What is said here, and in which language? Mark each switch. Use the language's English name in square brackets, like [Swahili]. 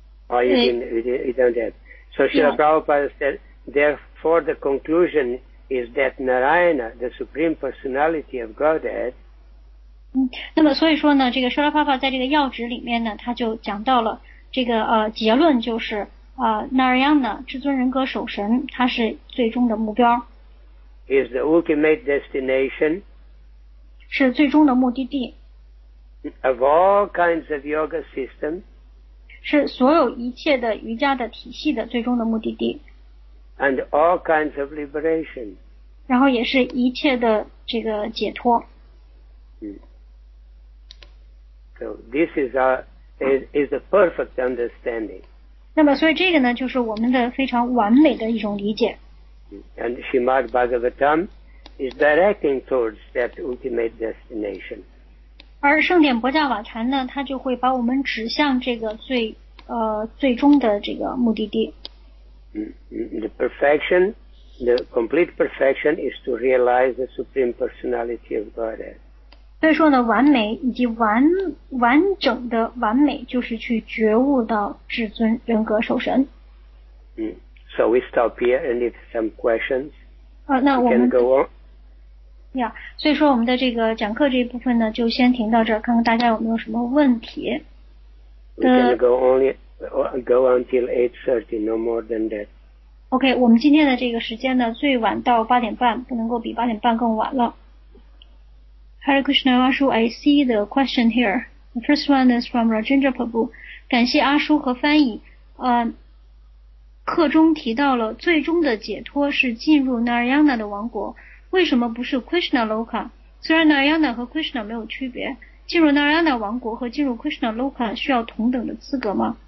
[English] So Srila Prabhupada said, therefore the conclusion is that Narayana, the Supreme Personality of Godhead. [Chinese] 那么所以说呢，这个舍拉帕帕在这个要旨里面呢，他就讲到了这个结论就是Narayana, 至尊人格守神，他是最终的目标。 [English] Is the ultimate destination. [Chinese] 是最终的目的地。 [English] Of all kinds of yoga system. [Chinese] 是所有一切的瑜伽的体系的最终的目的地。 [English] And all kinds of liberation. [Chinese] 然后也是一切的这个解脱。 [English] So this is the perfect understanding. [Chinese] 那么所以这个呢就是我们的非常完美的一种理解。 [English] And Srimad Bhagavatam is directing towards that ultimate destination. [Chinese] 而圣典博迦瓦坛呢它就会把我们指向这个最终的这个目的地。 [English] The complete perfection is to realize the Supreme Personality of Godhead. [Chinese] 所以说呢完美以及完整的完美就是去觉悟到至尊人格守神。 [English] So we stop here and if some questions, can go on. [Chinese] Yeah, 所以说我们的这个讲课这一部分呢就先停到这儿看看大家有没有什么问题。 [English] We can go until 8:30, no more than that. [Chinese] OK, 我们今天的这个时间呢最晚到八点半不能够比八点半更晚了。 [English] Hare Krishna, Ashu, I see the question here. The first one is from Rajendra Prabhu. [Chinese] 感谢阿叔和翻译。课中提到了最终的解脱是进入 Narayana 的王国。为什么不是 Krishna Loka? 虽然 Narayana 和 Krishna 没有区别，进入 Narayana 王国和进入 Krishna Loka 需要同等的资格吗？